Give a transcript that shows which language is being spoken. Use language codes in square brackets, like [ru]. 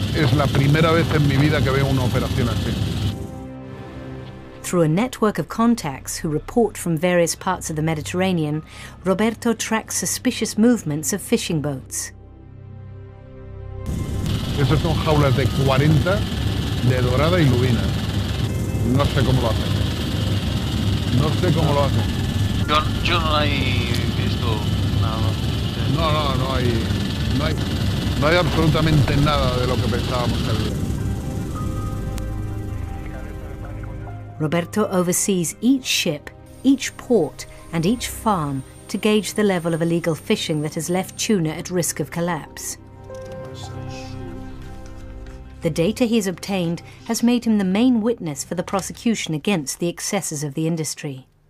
[es] Es la primera vez en mi vida que veo una operación así. [en] Through a network of contacts who report from various parts of the Mediterranean, Roberto tracks suspicious movements of fishing boats. [es] Esas son jaulas de 40 de dorada y lubina. No sé cómo lo hacen. No sé cómo lo hacen. Yo no hay visto nada. No hay. No hay absolutamente nada de lo que pensábamos que había. [en] Roberto oversees each ship, each port, and each farm to gauge the level of illegal fishing that has left tuna at risk of collapse. The data he has obtained has made him the main witness for the prosecution against the excesses of the industry.